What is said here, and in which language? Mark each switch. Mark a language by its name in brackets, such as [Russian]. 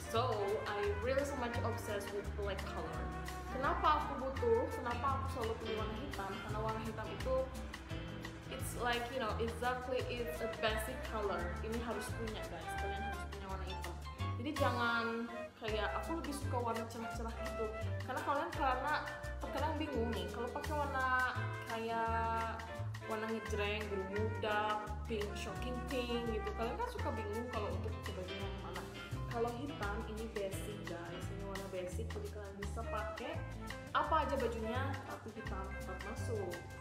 [English] So, I really so much obsessed with black color. [Indonesian] Kenapa aku selalu pilih warna hitam? Karena warna hitam itu, [English] it's like, you know, exactly it's a basic color. [Indonesian] Ini harus punya guys, kalian harus punya warna hitam. Jadi jangan kayak aku lebih suka warna cerah-cerah gitu. Karena terkadang bingung nih kalau pakai warna kayak warna ngejreng, biru muda, pink, shocking pink gitu. Kalian kan suka bingung kalau untuk kebagian yang mana. Kalau hitam ini basic guys, ini warna basic, jadi kalian bisa pakai apa aja bajunya tapi hitam tetap masuk.